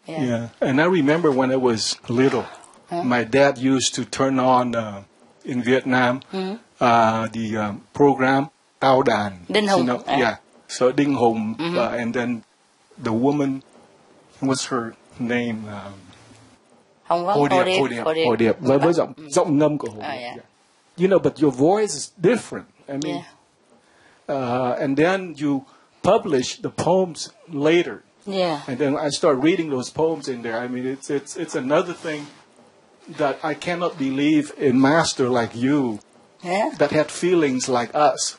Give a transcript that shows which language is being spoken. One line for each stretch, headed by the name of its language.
English: And I remember when I was little. My dad used to turn on in Vietnam the program Cao Đàn. Đinh Hùng. You know, So Đinh Hùng, and then the woman, what's her name? Hồng Vân. Hồ Điệp.
Vietnamese: Với giọng ngâm của Hồ Điệp.
English: You know, but your voice is different. I mean, and then you publish the poems later. Yeah. And then I start reading those poems in there. I mean, it's another thing that I cannot believe a master like you that had feelings like us.